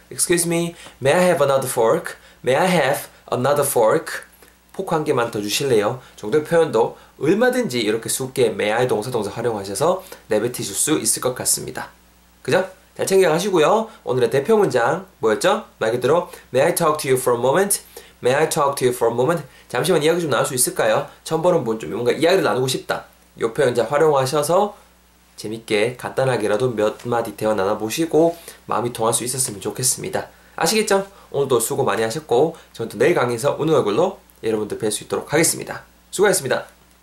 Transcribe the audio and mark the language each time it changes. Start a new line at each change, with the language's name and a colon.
English: Excuse me, may I have another fork? May I have another fork?
Korean: 포크 한 개만 더 주실래요? 정도의 표현도 얼마든지 이렇게 쉽게 may I 동사 활용하셔서 내뱉으실 수 있을 것 같습니다. 그죠? 잘 챙겨가시고요. 오늘의 대표 문장 뭐였죠? 말 그대로
English: May I talk to you for a moment? May I talk to you for a moment?
Korean: 잠시만 이야기 좀 나눌 수 있을까요? 처음 보는 분 좀 뭔가 이야기를 나누고 싶다. 이 표현 잘 활용하셔서 재밌게 간단하게라도 몇 마디 대화 나눠보시고 마음이 통할 수 있었으면 좋겠습니다. 아시겠죠? 오늘도 수고 많이 하셨고 저는 또 내일 강의에서 웃는 얼굴로 여러분들 뵐 수 있도록 하겠습니다. 수고하셨습니다.